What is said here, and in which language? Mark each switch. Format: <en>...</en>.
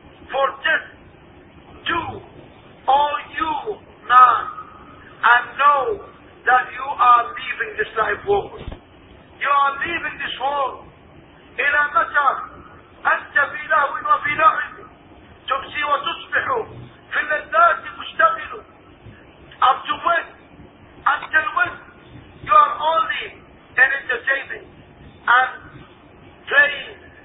<en>For this, do all you man and know that you are leaving this life world. You are leaving this world.</en> <ar>إلى متى أنت في لهو وفي لعب تمسي وتصبح في اللذات مشتغل.</ar> <en>Up to when? Until when? You are only in entertainment and playing.</en>